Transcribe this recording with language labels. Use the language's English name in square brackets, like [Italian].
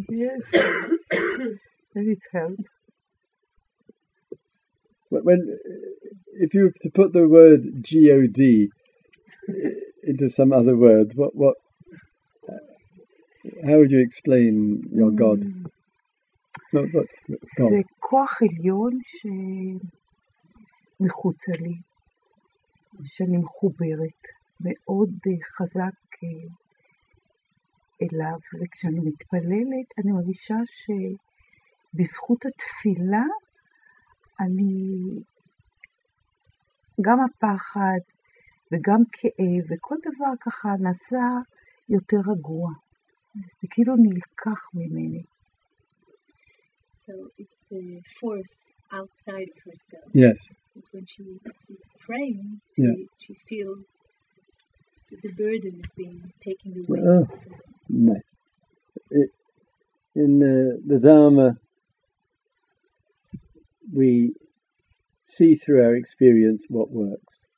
[English] Yes. And it's help. When, if you were to put the word G-O-D into some other word, what how would you explain your God? [Hebrew] זה כוח עליון שמחוץ לי, שאני מחוברת מאוד חזק אליו, וכשאני מתפללת אני מרגישה שבזכות התפילה אני גם הפחד וגם כאב וכל דבר ככה נעשה יותר רגוע, וכאילו נלקח ממני. [English] So it's a force outside of herself. Yes. But when she is praying, yeah, she feels that the burden is being taken away. Well, oh, no. In the Dharma, we see through our experience what works.